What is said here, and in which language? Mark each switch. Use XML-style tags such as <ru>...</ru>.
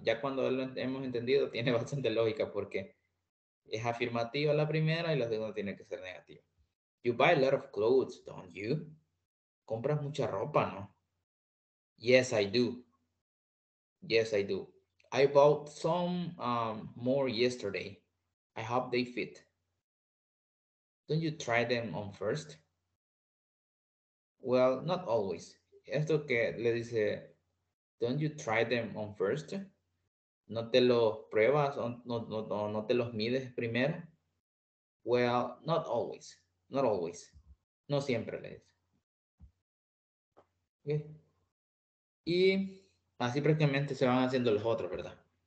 <es>Ya cuando lo hemos entendido, tiene bastante lógica porque es afirmativa la primera y la segunda tiene que ser negativa.</es> <en>You buy a lot of clothes, don't you?</en> <es>Compras mucha ropa, ¿no?</es> <en>Yes, I do. I bought some more yesterday. I hope they fit. Don't you try them on first? Well, not always.</en> <es>Esto que le dice,</es> <en>don't you try them on first?</en> <es>¿No te los pruebas o no te los mides primero?</es> <en>Well, not always. Not always.</en> <es>No siempre le dice. Okay. Y así prácticamente se van haciendo los otros, ¿verdad?</es>